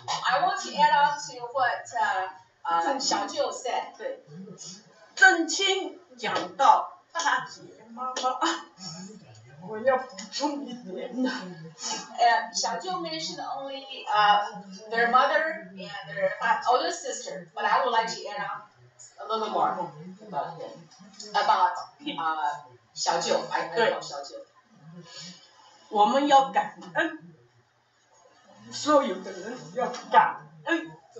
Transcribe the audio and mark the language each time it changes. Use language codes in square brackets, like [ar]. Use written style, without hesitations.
[en] I want to add on to what Xiao Jiu said. [zh] 正亲讲到大姐妈妈，我要补充一点呢。 [en] Xiao Jiu mentioned only their mother and their older sister, but I would like to add on a little more about Xiao Jiu. I know Xiao Jiu. [zh] 我们要感恩，所有的人要感恩。